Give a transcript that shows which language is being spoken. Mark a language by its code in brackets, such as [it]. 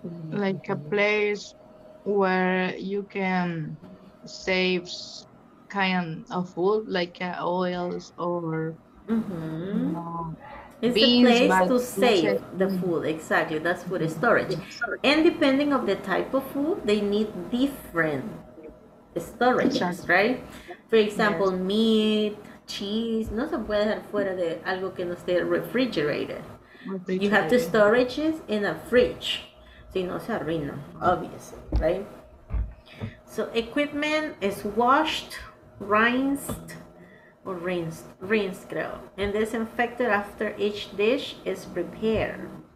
[en] Like a place where you can save kind of food, like oils or. It's the place to save the food. Exactly, that's food storage. And depending on the type of food, they need different storages, right? For example, meat, cheese. [es] No se puede dejar fuera de algo que no esté refrigerated. [en] You have to storage it in a fridge. [es] Si no se arruina, [en] obviously, right? So equipment is washed, rinsed, or rinsed, creo. And disinfected after each dish is prepared.